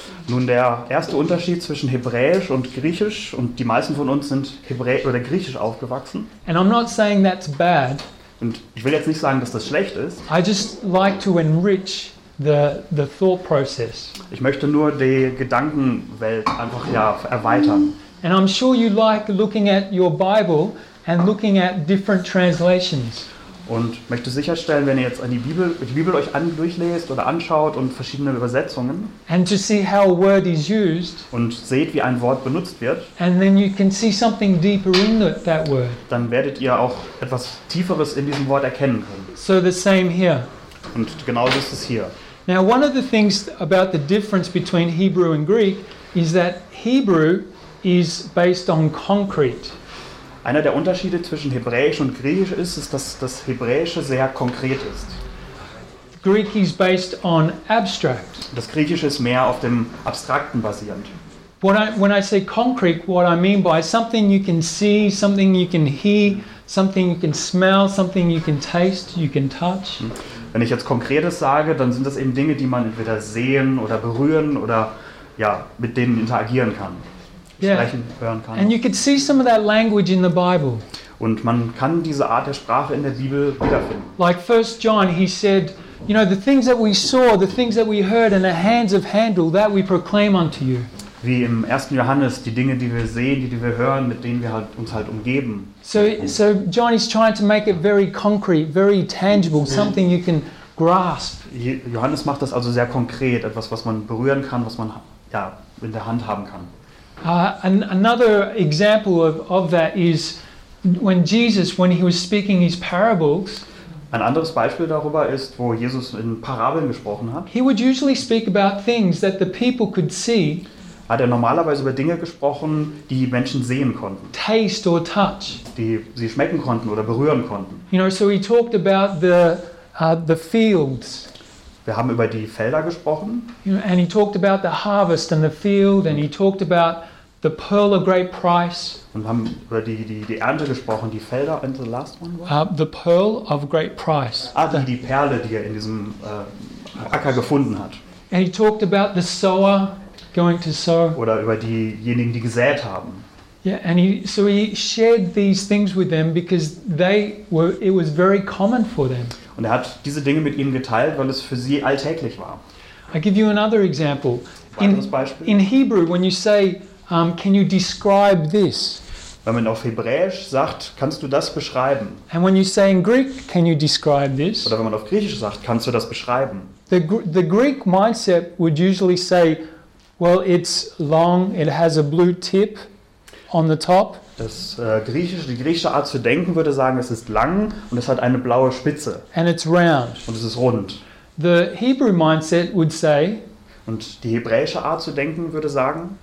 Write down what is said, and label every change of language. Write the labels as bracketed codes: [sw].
[de] Nun, der erste Unterschied zwischen Hebräisch und Griechisch, und die meisten von uns sind Hebräisch oder Griechisch aufgewachsen. [en] And I'm not saying that's bad. [de] Und ich will jetzt nicht sagen, dass das schlecht ist. [en] I just like to enrich the thought process. [de] Ich möchte nur die Gedankenwelt einfach, ja, erweitern. [en] And I'm sure you like looking at your Bible and looking at different translations. [de] Und möchte sicherstellen, wenn ihr jetzt an die Bibel euch durchlest oder anschaut und verschiedene Übersetzungen. [en] And to see how a word is used. [de] Und seht, wie ein Wort benutzt wird. [en] And then you can see something deeper in that word. [de] Dann werdet ihr auch etwas Tieferes in diesem Wort erkennen können. [en] So the same here. [de] Und genau das ist es hier. [en] Now one of the things about the difference between Hebrew and Greek is that Hebrew is based on concrete. [de] Einer der Unterschiede zwischen Hebräisch und Griechisch ist, dass das Hebräische sehr konkret ist. [en] Greek is based on abstract. [de] Das Griechische ist mehr auf dem Abstrakten basierend. [en] When I say concrete, what I mean by something you can see, something you can hear, something you can smell, something you can taste, you can touch. [de] Wenn ich jetzt Konkretes sage, dann sind das eben Dinge, die man entweder sehen oder berühren oder ja, mit denen interagieren kann, sprechen, hören kann. [en] And you can see some of that language in the Bible. [de] Und man kann diese Art der Sprache in der Bibel wiederfinden. [en] Like 1 John, he said, you know, the things that we saw, the things that we heard and the hands have handled, that we proclaim unto you. [de] Wie im 1. Johannes, die Dinge, die wir sehen, die wir hören, mit denen wir halt, uns halt umgeben. [en] So John is trying to make it very concrete, very tangible, something you can grasp. [de] Johannes macht das also sehr konkret, etwas, was man berühren kann, was man ja, in der Hand haben kann. [en] Another example of that is when Jesus, when he was speaking his parables. [de] Ein anderes Beispiel darüber ist, wo Jesus in Parabeln gesprochen hat. [en] He would usually speak about things that the people could see. [de] Hat er normalerweise über Dinge gesprochen, die Menschen sehen konnten. [en] Taste or touch. [de] Die sie schmecken konnten oder berühren konnten. [en] You know, so he talked about the fields. [de] Wir haben über die Felder gesprochen. [en] You know, and he talked about the harvest and the field and he talked about the pearl of great price. [de] Und haben über die Ernte gesprochen, die Felder. [en] And the last one was? The pearl of great price. [de] Ah, die Perle, die er in diesem Acker gefunden hat. [en] And he talked about the sower. Going to sow. [de] Oder über diejenigen, die gesät haben. [en] Yeah, and he shared these things with them because it was very common for them. [de] Und er hat diese Dinge mit ihnen geteilt, weil es für sie alltäglich war. [en] I give you another example. [de] Weiteres Beispiel. [en] In Hebrew, when you say, can you describe this? [de] Wenn man auf Hebräisch sagt, kannst du das beschreiben? [en] And when you say in Greek, can you describe this? [de] Oder wenn man auf Griechisch sagt, kannst du das beschreiben? [en] The Greek mindset would usually say, well, it's long, it has a blue tip on the top. [de] Die griechische Art zu denken würde sagen, es ist lang und es hat eine blaue Spitze. [en] And it's round. [de] Und es ist rund. [en] The Hebrew mindset would say, [de] und die hebräische Art zu denken würde sagen,